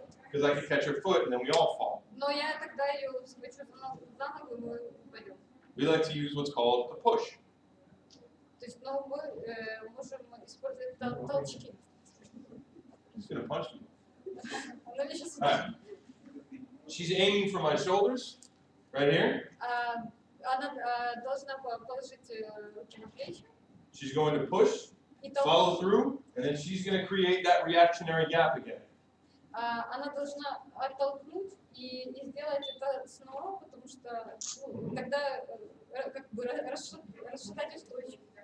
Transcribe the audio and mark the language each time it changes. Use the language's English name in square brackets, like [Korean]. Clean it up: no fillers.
[English] Because I can catch her foot and then we all fall. [Russian] Но я тогда её схвачу за ногу, и мы упадём. [English] We like to use what's called a push. [Russian] То есть, ну, мы можем использовать толчки. [English] She's gonna punch me. [Russian] Она мне сейчас... [English] She's aiming for my shoulders, right here. [Russian] Она должна положить руки на плечи. [English] She's going to push, follow through, and then she's going to create that reactionary gap again. [Russian] Она должна оттолкнуть и сделать это снова, потому что тогда как бы расшатать устройство.